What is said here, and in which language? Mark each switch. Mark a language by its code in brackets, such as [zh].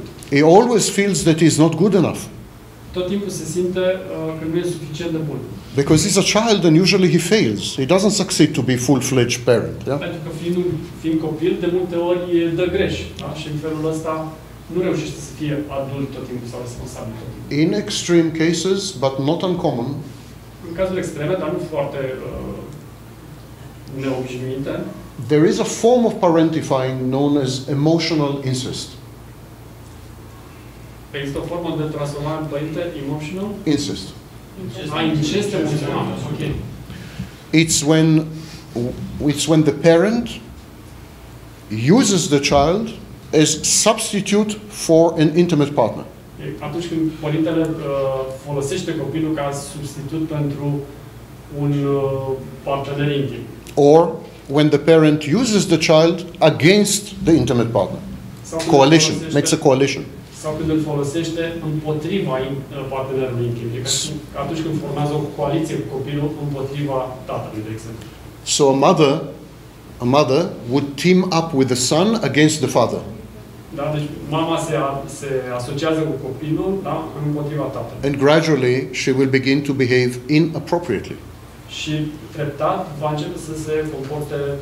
[en] He always feels that he is not good enough. [ro] Tot timpul se simte că nu e suficient de bun. [en] Because he's a child and usually he fails. He doesn't succeed to be full-fledged parent. Yeah? [ro] Pentru că fiind copil, de multe ori e dă greș. Da? Și în felul ăsta nu reușește să fie adult tot timpul sau responsabil tot timpul. [en] In extreme cases, but not uncommon, [ro] în cazuri extreme, dar nu foarte neobișnuite, [en] there is a form of parentifying known as emotional incest. [ro] Există o formă de transformare în părinte, emotional? Incest. Incest emoțional, ok. [en] It's when the parent uses the child as substitute for an intimate partner. [ro] Atunci când părintele folosește copilul ca substitut pentru un partener intim. [en] Or when the parent uses the child against the intimate partner. Coalition, makes a coalition. [ro] Sau când îl folosește împotriva partenerului intim. Atunci când formează o coaliție cu copilul împotriva tatălui, de exemplu. [en] So a mother would team up with the son against the father. [ro] Da, deci mama se asociază cu copilul, da, împotriva tatălui. [en] And gradually she will begin to behave inappropriately. [ro] Și treptat va începe să se comporte